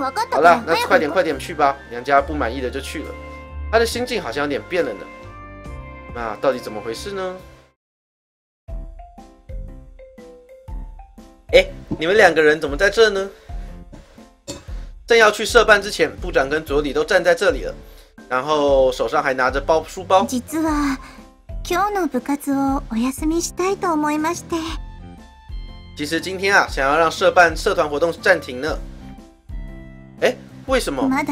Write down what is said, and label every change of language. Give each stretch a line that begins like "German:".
Chinese: 好了，那快点快点去吧。娘家不满意的就去了。他的心境好像有点变了呢。那到底怎么回事呢？哎，你们两个人怎么在这呢？正要去社办之前，部长跟佐里都站在这里了，然后手上还拿着包书包。
Japanese: 実は今日の部活をお休みしたいと思いまして。
Chinese: 其实今天啊，想要让社办社团活动暂停呢。哎，为什么？